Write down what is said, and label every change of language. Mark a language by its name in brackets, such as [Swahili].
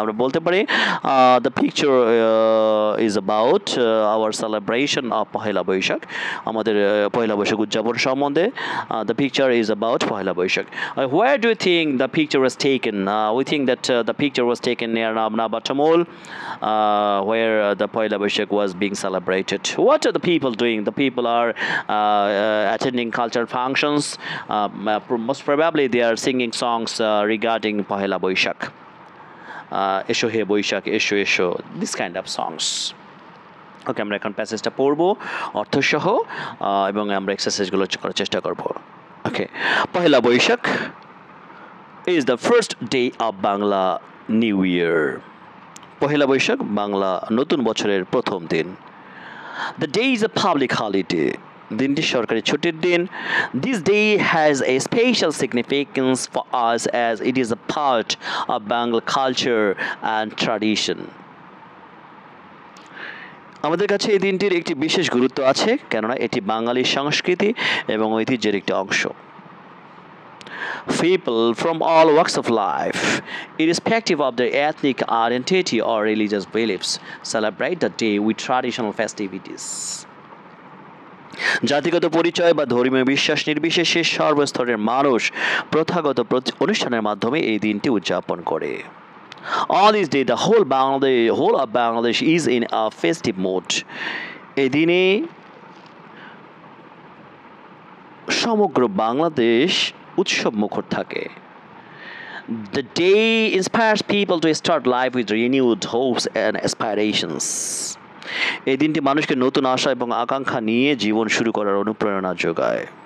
[Bangla] আমরা বলতে পারি [English] the picture is about our celebration of Pahela Baishakh, [Bangla] আমাদের পহেলা বৈশাখ উদযাপন সম্বন্ধে। [English] The picture is about Pahela Baishakh. Where do you think the picture was taken? We think that the picture was taken near Ramna Batamul, where the Pahela Baishakh was being celebrated. What are the people doing? The people are attending cultural functions, most probably they are singing songs regarding Pahela Boishak, [Bangla] Esho He Boishak, Esho Esho, [English] this kind of songs. [Bangla] Okay, আমরা এখন প্যাসেজটা পড়ব অর্থসহ এবং আমরা এক্সারসাইজগুলো করার চেষ্টা করব। [English] Okay, Pahela Baishakh is the first day of Bangla new year. [Bangla] Pohela Boishakh Bangla নতুন বছরের প্রথম দিন। [English] The day is a public holiday. [Bangla] Dindi sarkari chutir din. [English] This day has a special significance for us as it is a part of Bengal culture and tradition. [Bangla] আমাদের কাছে এই দিনটির একটি বিশেষ গুরুত্ব আছে, কেননা এটি বাঙালি সংস্কৃতি এবং ঐতিহ্যের একটি অংশ। [English] People from all walks of life, irrespective of their ethnic identity or religious beliefs, celebrate the day with traditional festivities. [Bangla] জাতিগত পরিচয় বা ধর্মীয় বিশ্বাস নির্বিশেষে সর্বস্তরের মানুষ প্রথাগত অনুষ্ঠানের মাধ্যমে এই দিনটি উদযাপন করে। [English] On this day, the whole of Bangladesh is in a festive mood. [Bangla] এই দিনে সমগ্র বাংলাদেশ উৎসব মুখর থাকে। [English] The day inspires people to start life with renewed hopes and aspirations. [Bangla] এই দিনটি মানুষকে নতুন আশা এবং আকাঙ্ক্ষা নিয়ে জীবন শুরু করার অনুপ্রেরণা যোগায়।